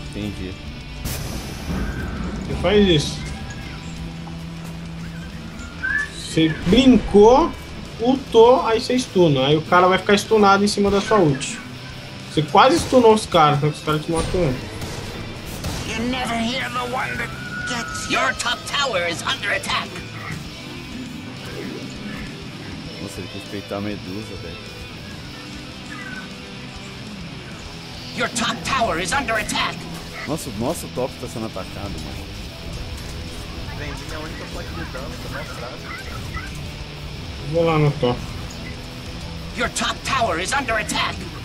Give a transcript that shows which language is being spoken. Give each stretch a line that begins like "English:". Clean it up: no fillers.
Portuguese: Entendi. Você faz isso. Você brincou, ultou, aí você stuna. Aí o cara vai ficar stunado em cima da sua ult. Você quase stunou os caras, então os caras te matam.
English: You never hear the one that gets your top tower is under attack.
Portuguese: Nossa, ele quis peitar a Medusa, velho.
English: Your top tower is under attack.
Portuguese: Nosso top tá sendo atacado, mano. Vendi minha única placa de dano, que é mais fraco.
English: Your top tower is under attack.